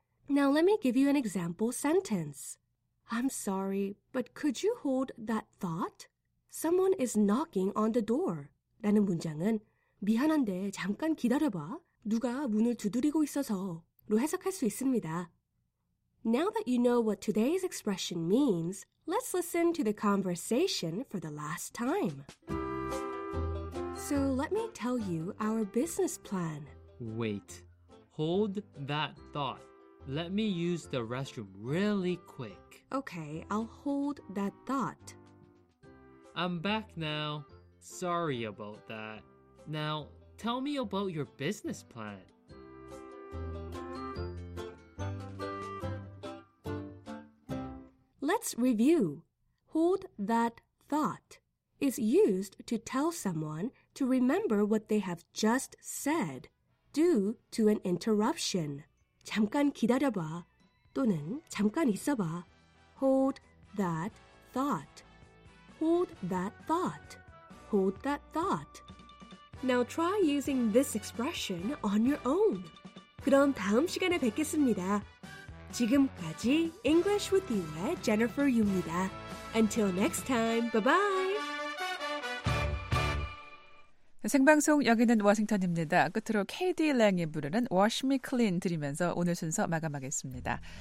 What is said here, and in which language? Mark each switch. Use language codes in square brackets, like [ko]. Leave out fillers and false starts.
[en] Now let me give you an example sentence. I'm sorry, but could you hold that thought? Someone is knocking on the door. [ko] 라는 문장은 미안한데 잠깐 기다려봐. 누가 문을 두드리고 있어서 로 해석할 수 있습니다. [en] Now that you know what today's expression means, let's listen to the conversation for the last time. So let me tell you our business plan. Wait, hold that thought. Let me use the restroom really quick. Okay, I'll hold that thought. I'm back now. Sorry about that. Now, tell me about your business plan. Let's review. Hold that thought is used to tell someone to remember what they have just said due to an interruption. [ko] 잠깐 기다려봐 또는 잠깐 있어봐. [en] Hold that thought. Hold that thought. Hold that thought. Now try using this expression on your own. [ko] 그럼 다음 시간에 뵙겠습니다. 지금까지 English with You의 Jennifer Yu입니다. [en] Until next time, bye-bye! [ko] 생방송 여기는 워싱턴입니다. 끝으로 KD Lang이 부르는 Wash Me Clean 드리면서 오늘 순서 마감하겠습니다.